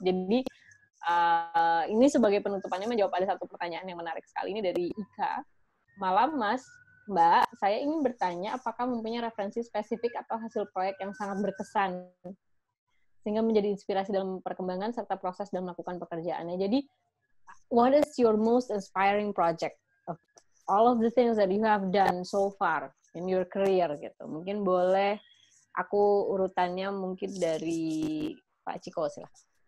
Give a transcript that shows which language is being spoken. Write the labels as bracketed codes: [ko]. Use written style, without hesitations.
[id] Jadi ini sebagai penutupannya menjawab ada satu pertanyaan yang menarik sekali ini dari Ika. Malam Mas, Mbak, saya ingin bertanya apakah mempunyai referensi spesifik atau hasil proyek yang sangat berkesan sehingga menjadi inspirasi dalam perkembangan serta proses dalam melakukan pekerjaannya. [en] Jadi what is your most inspiring project of all of the things that you have done so far in your career, gitu. [id] Mungkin boleh aku urutannya mungkin dari Pak Ciko, silahkan.